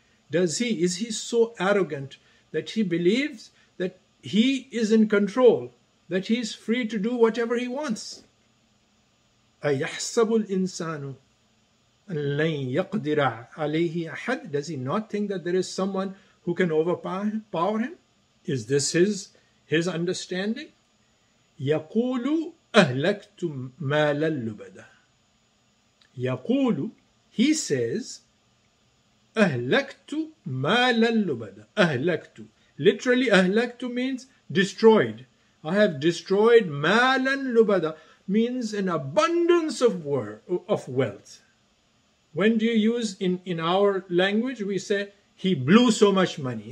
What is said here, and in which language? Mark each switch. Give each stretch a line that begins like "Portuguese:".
English: Is he so arrogant that he believes that he is in control, that he is free to do whatever he wants?
Arabic: أَيَحْسَبُ الْإِنسَانُ أَلَّنْ يَقْدِرَ عَلَيْهِ أَحَدْ.
English: Does he not think that there is someone who can overpower him? Is this his understanding?
Arabic: يَقُولُ أَهْلَكْتُ مَالَ اللُّبَدَ. يَقُولُ,
English: he says,
Arabic: أَهْلَكْتُ مَالَ اللُّبَدَ.
English: أَهْلَكْتُ, literally أَهْلَكْتُ means destroyed. I have destroyed مَالَ اللُّبَدَ, means an abundance of wealth. When do you use in our language? We say he blew so much money.